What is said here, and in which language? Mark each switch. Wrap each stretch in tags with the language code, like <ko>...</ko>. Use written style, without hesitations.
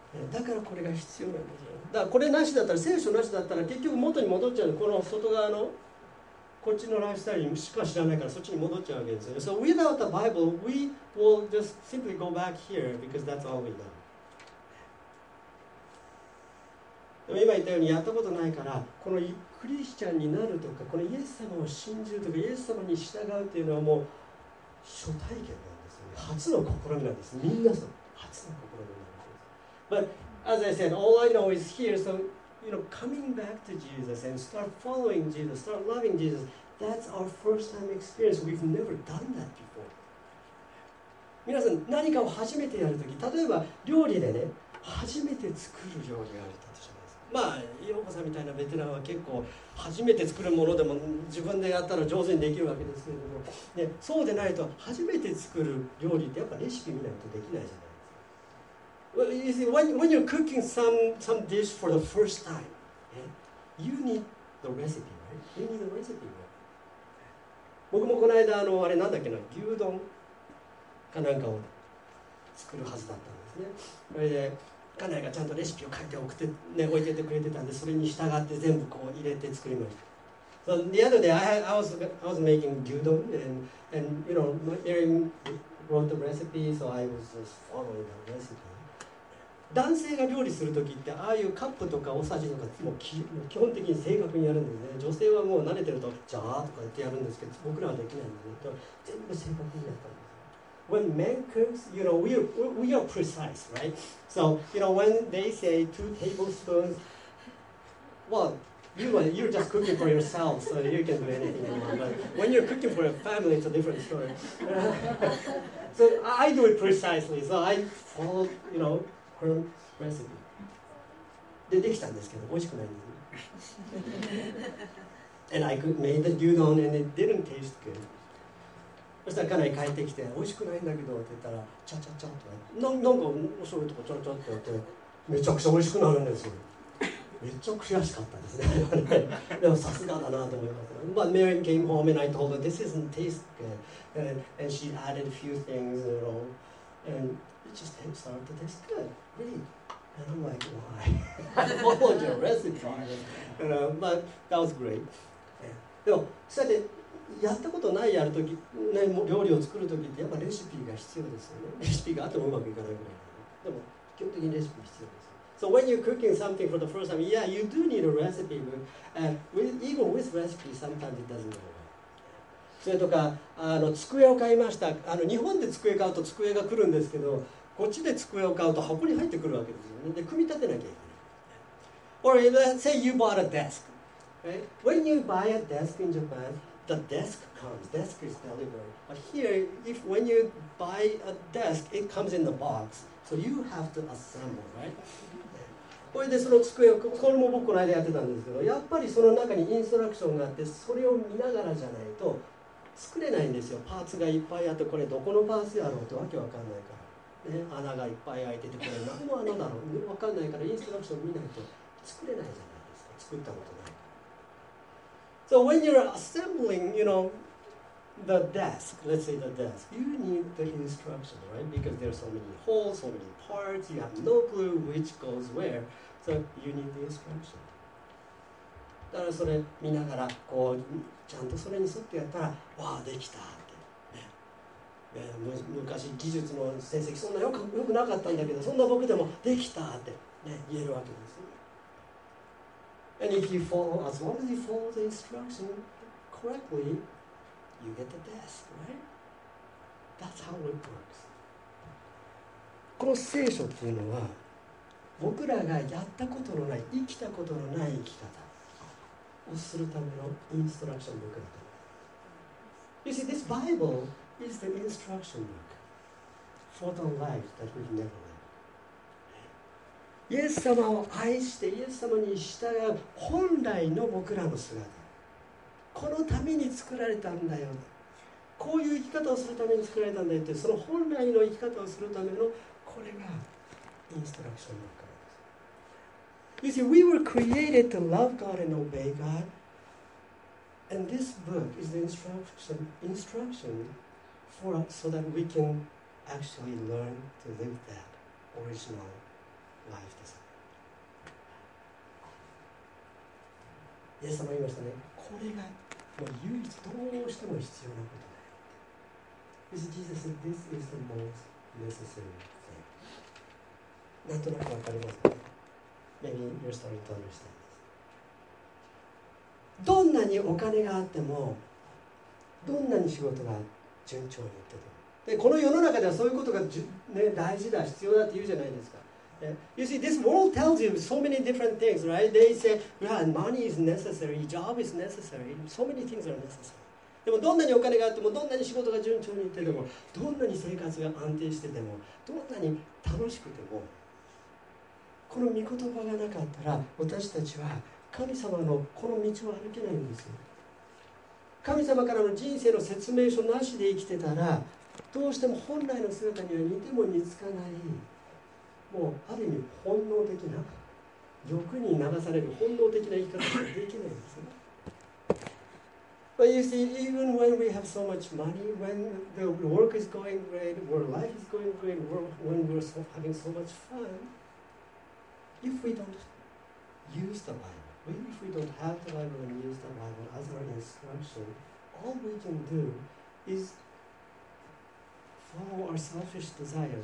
<ja>だからこれが必要なんですよ。だからこれなしだったら、聖書なしだったら結局元に戻っちゃう。この外側のこっちのライフスタイルにしか知らないからそっちに戻っちゃうわけですよ。</ja> <en>So without the Bible, we will just simply go back here because that's all we know.</en> <ja>でも今言ったようにやったことないから、このクリスチャンになるとか、このイエス様を信じるとか、イエス様に従うっていうのはもう初体験なんですよ、ね。初の試みなんです。みんなその初の試みなんです。</ja> <en>But as I said, all I know is here, so... You know, coming back to Jesus and start following Jesus, start loving Jesus, that's our first time experience. We've never done that before.</en> <ja>皆さん、何かを初めてやるとき、例えば料理でね、初めて作る料理があるとしますか。まあ、洋子さんみたいなベテランは結構、初めて作るものでも自分でやったら上手にできるわけですけれども、ね、そうでないと、初めて作る料理ってやっぱレシピ見ないとできないじゃない。</ja> <en>Well, you see, when you're cooking some dish for the first time, you need the recipe, right? You need the recipe, right?</en> <ja>僕もこの間、あれなんだっけな、牛丼かなんかを作るはずだったんですね。それで、家内がちゃんとレシピを書いて送って、ね、置いててくれてたんで、それに従って全部こう入れて作りました。</ja> <en>So the other day, I was making 牛丼 and you know, my Aaron wrote the recipe, so I was just following the recipe.</en> <ja>男性が料理するときって、ああいうカップとかおさじとかもう基本的に正確にやるんですね。女性はもう慣れてると、じゃーとか言ってやるんですけど、僕らはできないんですね。全部正確にやったんです。</ja> <en>When men cooks, you know, we are precise, right? So, you know, when they say two tablespoons, well, you're just cooking for yourself, so you can do anything you want. But when you're cooking for a family, it's a different story. So I do it precisely, so I follow, you know,レシピ</en> <ja>でできたんですけど、美味しくないんですね。</ja> <en>And I could make the 牛丼 and it didn't taste good.</en> <ja>そしたら家内帰ってきて、美味しくないんだけどって言ったら、ちゃちゃちゃって、なんかお醤油とかちゃちゃってやって、めちゃくちゃ美味しくなるんですよ。めっちゃ悔しかったですね。でもさすがだなと思います。</ja> <en>But Mary came home and I told her, this isn't taste good. And she added a few things, you know. And it just started to taste good, really. And I'm like, why? I followed your recipe. You know, but that was great.</en> <ja>でも、そうやってやったことないやるとき、ね、料理を作るときってやっぱレシピが必要ですよね。レシピがあってもうまくいかないぐらい。でも、基本的にレシピ必要です。</ja> <en>So when you're cooking something for the first time, yeah, you do need a recipe book. Even with recipe, sometimes it doesn't work.</en> <ja>それとか、あの机を買いました。あの日本で机を買うと机が来るんですけど、こっちで机を買うと箱に入ってくるわけですよね。で、組み立てなきゃいけない。</ja> <en>Or let's say you bought a desk. Right? When you buy a desk in Japan, the desk comes. Desk is delivered. But here, if when you buy a desk, it comes in the box. So you have to assemble, right?</en> <ja>これでその机を、これも僕この間やってたんですけど、やっぱりその中にインストラクションがあって、それを見ながらじゃないと作れないんですよ。パーツがいっぱいあって、これどこのパーツやろうってわけわかんないから、ね。穴がいっぱい開いてて、これ何の穴だろうわかんないから、インストラクション見ないと作れないじゃないですか。作ったことないから。</ja> <en>So when you're assembling, you know, the desk, let's say the desk, you need the instruction, right? Because there are so many holes, so many parts, you have no clue which goes where, so you need the instruction.</en> <ja>だからそれ見ながらこうちゃんとそれに沿ってやったらわあできたって、ね、昔技術の成績そんなよくなかったんだけどそんな僕でもできたって、ね、言えるわけですよ。</ja> <en>And if you follow, as long as you follow the instruction correctly, you get the desk, right? That's how it works.</en> <ja>この聖書っていうのは僕らがやったことのない生きたことのない生き方をするためのインストラクションブックだと。</ja> <en>You see, this Bible is the instruction book for the life that we never live.</en> <ja>イエス様を愛してイエス様に従う本来の僕らの姿。このために作られたんだよ。こういう生き方をするために作られたんだよって、その本来の生き方をするためのこれがインストラクションブック。</ja> <en>You see, we were created to love God and obey God. And this book is the instruction for us so that we can actually learn to live that original life design.</en> <ja>イエス様言いましたね。これがもう唯一どうしても必要なことだよ。</ja> <en>You see, Jesus said, this is the most necessary thing.</en> <ja>なんとなくわかりますか?</ja> <en>Maybe you're starting to understand this.</en> <ja>どんなにお金があってもどんなに仕事が順調にいってもでこの世の中ではそういうことが、ね、大事だ必要だって言うじゃないですか、</ja> <en>yeah. You see, this world tells you so many different things, right? They say, yeah, money is necessary, job is necessary, so many things are necessary.</en> <ja>でもどんなにお金があってもどんなに仕事が順調にいってでもどんなに生活が安定しててもどんなに楽しくてもこの御言葉がなかったら私たちは神様のこの道を歩けないんですよ。神様からの人生の説明書なしで生きてたらどうしても本来の姿には似ても似つかないもうある意味本能的な欲に流される本能的な生き方ができないんですよ。</ja> <en>But you see, even when we have so much money, when the work is going great, when life is going great, when we're so, having so much fun,If we don't use the Bible, if we don't have the Bible and use the Bible as our instruction, all we can do is follow our selfish desire.</en>